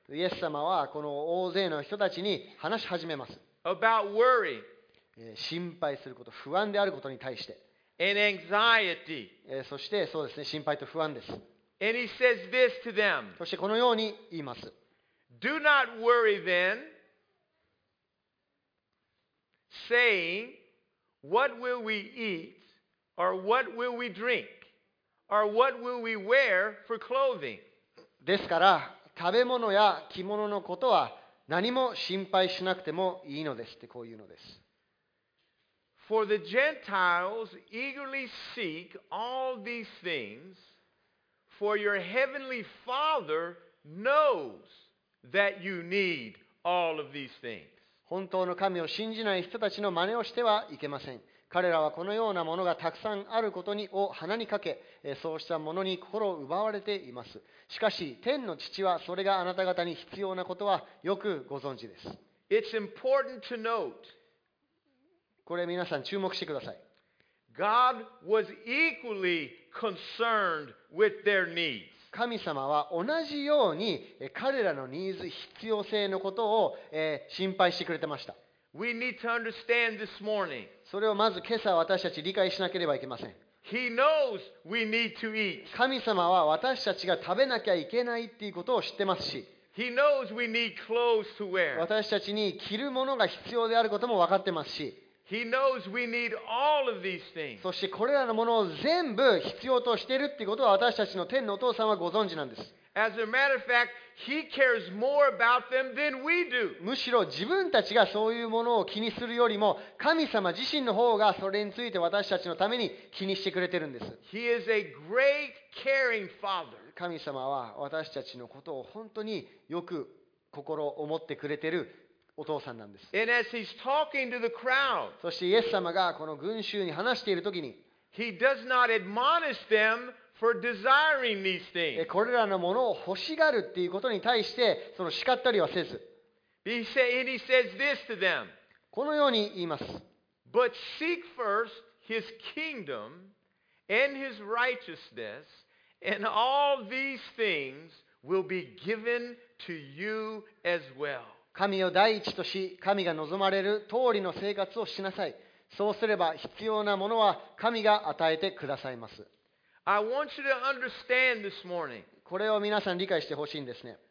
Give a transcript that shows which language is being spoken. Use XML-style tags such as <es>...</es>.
<ja>イエス様はこの大勢の人たちに話し始めます。</ja> <en>About worry.</en> <ja>心配すること、不安であることに対して。</ja> <en>And anxiety.</en> <ja>そしてそうですね、心配と不安です。</ja> <en>And he says this to them.</en> <ja>そしてこのように言います。</ja> <en>Do not worry then, saying, what will we eat, or what will we drink? Or what will we wear for clothing?</en> <ja>ですから食べ物や着物のことは何も心配しなくてもいいのですってこういうのです。</ja> <en>For the Gentiles eagerly seek all these things, for your heavenly Father knows that you need all of these things.</en> <ja>本当の神を信じない人たちの真似をしてはいけません。彼らはこのようなものがたくさんあることにを鼻にかけ、そうしたものに心を奪われています。しかし、天の父はそれがあなた方に必要なことはよくご存知です。</ja> <en>It's important to note.</en> <ja>これ皆さん注目してください。</ja> <en>God was equally concerned with their needs.</en> <ja>神様は同じように彼らのニーズ必要性のことを心配してくれてました。</ja> <en>We need to understand this morning.</en> <ja>それをまず今朝私たち理解しなければいけません。</ja> <en>He knows we need to eat.</en> <ja>神様は私たちが食べなきゃいけないっていうことを知ってますし、</ja> <en>He knows we need clothes to wear.</en> <ja>私たちに着るものが必要であることも分かってますし、</ja> <en>He knows we need all of these things.</en> <ja>そしてこれらのものを全部必要としているっていうことは私たちの天のお父さんはご存知なんです。</ja> <en>As a matter of fact, he cares more about them than we do.</en> <ja>むしろ自分たちがそういうものを気にするよりも、神様自身の方がそれについて私たちのために気にしてくれてるんです。</ja> <en>He is a great caring father.</en> <ja>神様は私たちのことを本当によく心を思ってくれてるお父さんなんです。</ja> <en>And as he's talking to the crowd,</en> <ja>そしてイエス様がこの群衆に話しているときに、</ja> <en>he does not admonish them. For desiring these things.</en> <ja>これらのものを欲しがるっていうことに対してその叱ったりはせず。</ja> <en>He says this to them.</en> <ja>このように言います。</ja> <en>But seek first his kingdom and his righteousness, and all these things will be given to you as well.</en> <ja>神を第一とし、神が望まれる通りの生活をしなさい。そうすれば必要なものは神が与えてくださいます。</ja> <en>I want you to understand this morning.</en> <ja>これを皆さん理解してほしいんですね。</ja>